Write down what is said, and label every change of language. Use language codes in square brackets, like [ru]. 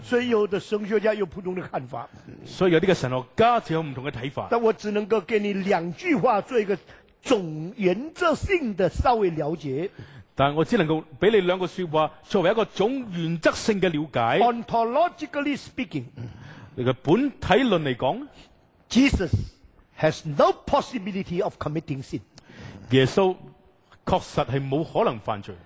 [zh] 所以有的神学家有不同的看法，所以有些神学家就有不同的看法。但我只能够给你两句话做一个总原则性的稍微了解，但我只能够给你两个说话作为一个总原则性的了解。 [en] Ontologically speaking， [zh] 你的本体论来讲， [en] Jesus has no possibility of committing sin， [zh] 耶稣确实是没可能犯罪。